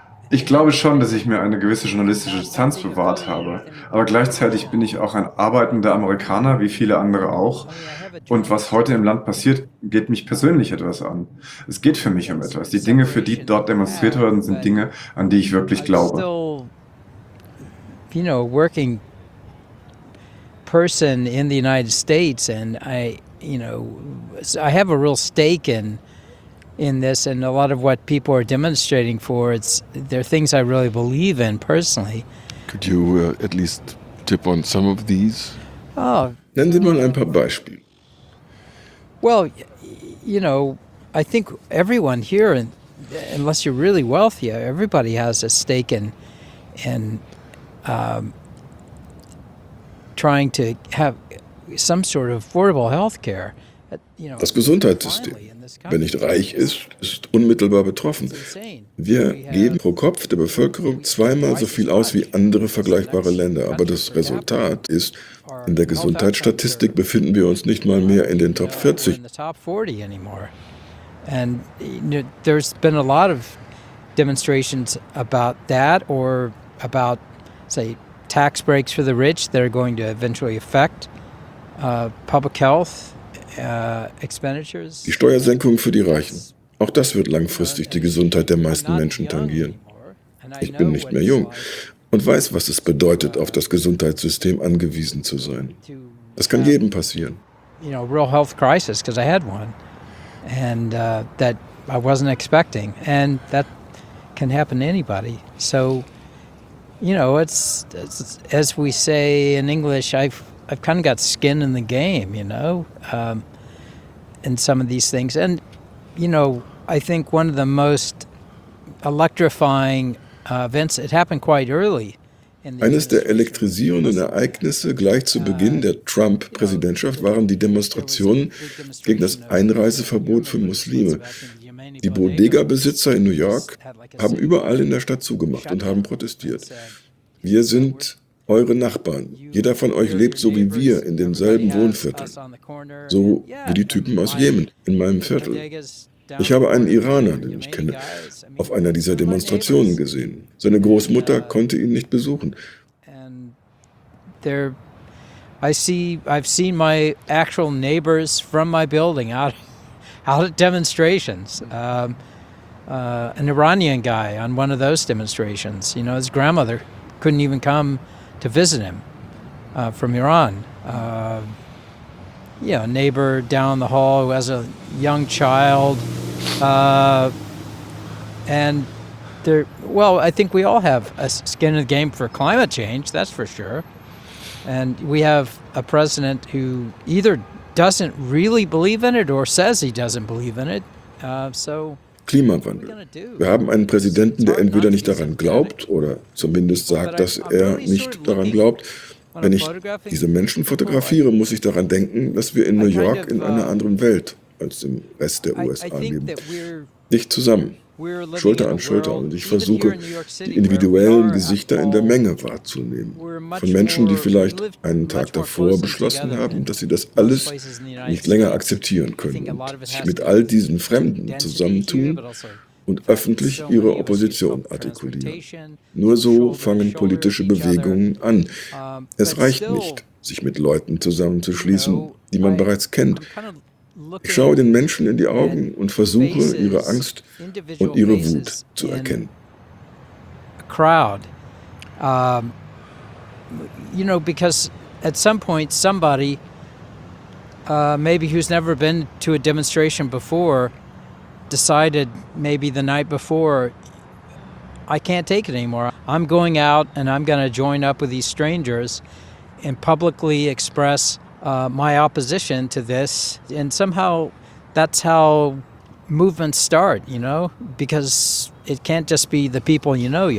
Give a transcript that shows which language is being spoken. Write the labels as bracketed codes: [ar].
[de] Ich glaube schon, dass ich mir eine gewisse journalistische Distanz bewahrt habe. Aber gleichzeitig bin ich auch ein arbeitender Amerikaner, wie viele andere auch. Und was heute im Land passiert, geht mich persönlich etwas an. Es geht für mich um etwas. Die Dinge, für die dort demonstriert werden, sind Dinge, an die ich wirklich glaube. [en] You know, working person in the United States, and I have a real stake in this, and a lot of what people are demonstrating for, they're things I really believe in personally. Could you at least tip on some of these? Oh, [de] nennen Sie mal ein paar Beispiele. [en] Well, you know, I think everyone here, unless you're really wealthy, everybody has a stake in trying to have some sort of affordable health care. [de] Das Gesundheitssystem, wer nicht reich ist, ist unmittelbar betroffen. Wir geben pro Kopf der Bevölkerung 2x so viel aus wie andere vergleichbare Länder. Aber das Resultat ist, in der Gesundheitsstatistik befinden wir uns nicht mal mehr in den Top 40. Und [en] there's been a lot of demonstrations about that or about, say, tax breaks for the rich that are going to eventually affect public health. [de] Die Steuersenkungen für die Reichen, Auch das wird langfristig die Gesundheit der meisten Menschen tangieren. Ich bin nicht mehr jung und weiß, was es bedeutet, auf das Gesundheitssystem angewiesen zu sein. Das kann jedem passieren. [en] You know, real health crisis, because I had one, and that I wasn't expecting, and that can happen to anybody. So, you know, it's as we say in English, I've kind of got skin in the game, you know, in some of these things. And, you know, I think one of the most electrifying events, it happened quite early. [de] Eines der elektrisierenden Ereignisse gleich zu Beginn der Trump-Präsidentschaft waren die Demonstrationen gegen das Einreiseverbot für Muslime. Die Bodega-Besitzer in New York haben überall in der Stadt zugemacht und haben protestiert. Wir sind eure Nachbarn. Jeder von euch lebt so wie wir in denselben Wohnvierteln. So wie die Typen aus Jemen in meinem Viertel. Ich habe einen Iraner, den ich kenne, auf einer dieser Demonstrationen gesehen. Seine Großmutter konnte ihn nicht besuchen. [en] I've seen my actual neighbors from my building out at demonstrations. An Iranian guy on one of those demonstrations. You know, his grandmother couldn't even come to visit him from Iran. Yeah, a neighbor down the hall who has a young child. And there, well, I think we all have a skin in the game for climate change, that's for sure. And we have a president who either doesn't really believe in it or says he doesn't believe in it. [de] Klimawandel. Wir haben einen Präsidenten, der entweder nicht daran glaubt oder zumindest sagt, dass er nicht daran glaubt. Wenn ich diese Menschen fotografiere, muss ich daran denken, dass wir in New York in einer anderen Welt als im Rest der USA leben. Nicht zusammen, Schulter an Schulter. Und ich versuche, die individuellen Gesichter in der Menge wahrzunehmen. Von Menschen, die vielleicht einen Tag davor beschlossen haben, dass sie das alles nicht länger akzeptieren können und sich mit all diesen Fremden zusammentun und öffentlich ihre Opposition artikulieren. Nur so fangen politische Bewegungen an. Es reicht nicht, sich mit Leuten zusammenzuschließen, die man bereits kennt. Ich schaue den Menschen in die Augen und versuche, ihre Angst und ihre Wut zu erkennen. [en] Crowd. You know, because at some point somebody, maybe who's never been to a demonstration before, decided maybe the night before, I can't take it anymore. I'm going out and I'm going to join up with these strangers and publicly express my opposition to this, and somehow that's how movements start, you know, because it can't just be the people you know.